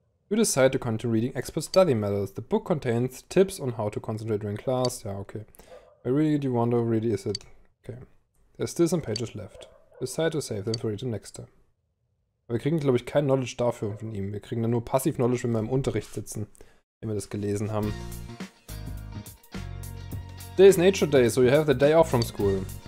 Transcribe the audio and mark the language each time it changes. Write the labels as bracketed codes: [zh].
[en] You decide to continue reading Expert Study Methods. The book contains tips on how to concentrate during class. [de] Ja, okay. [en] I really do wonder, really, is it... Okay. There's still some pages left. Decide to save them for the next time. [de] Aber wir kriegen, glaube ich, kein Knowledge dafür von ihm. Wir kriegen dann nur passiv Knowledge, wenn wir im Unterricht sitzen, wenn wir das gelesen haben. [en] Today is Nature Day, so you have the day off from school.